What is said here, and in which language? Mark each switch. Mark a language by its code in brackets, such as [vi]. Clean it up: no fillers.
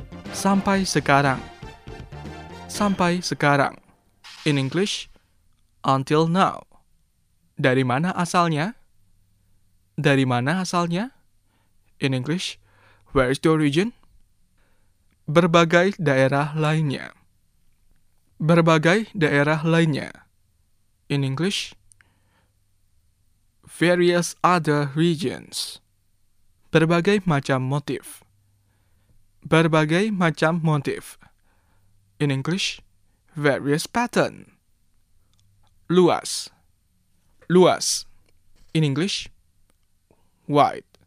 [id] Sampai sekarang. Sampai sekarang. [en] In English, until now. [id] Dari mana asalnya? Dari mana asalnya? [en] In English, where is the origin? [id] Berbagai daerah lainnya. Berbagai daerah lainnya. [en] In English, various other regions. [id] Berbagai macam motif. Berbagai macam motif. [en] In English, various pattern. [id] Luas. Luas. [en] In English, wide.